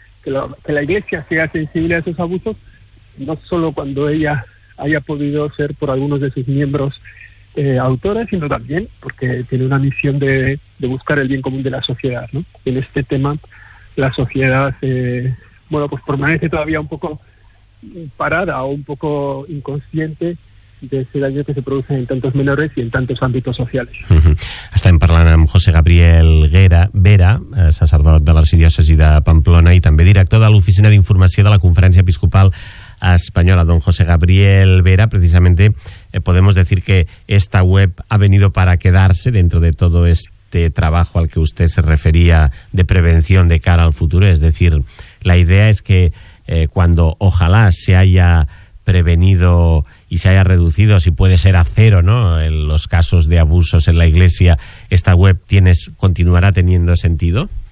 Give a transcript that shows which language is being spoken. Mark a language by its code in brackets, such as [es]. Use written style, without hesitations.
[es] Que la Iglesia sea sensible a esos abusos, no solo cuando ella haya podido ser por algunos de sus miembros autora, sino también porque tiene una misión de buscar el bien común de la sociedad, ¿no? En este tema, la sociedad permanece todavía un poco parada o un poco inconsciente de ese daño que se produce en tantos menores y en tantos ámbitos sociales. Uh-huh. [ca] Estem parlant amb José Gabriel Vera, sacerdot de l'Arxidiòcesi de Pamplona i també director de l'Oficina d'Informació de la Conferència Episcopal [es] española, don José Gabriel Vera. Precisamente podemos decir que esta web ha venido para quedarse dentro de todo este trabajo al que usted se refería de prevención de cara al futuro. Es decir, la idea es que cuando ojalá se haya prevenido y se haya reducido, si puede ser a cero, ¿no?, en los casos de abusos en la iglesia, ¿esta web continuará teniendo sentido?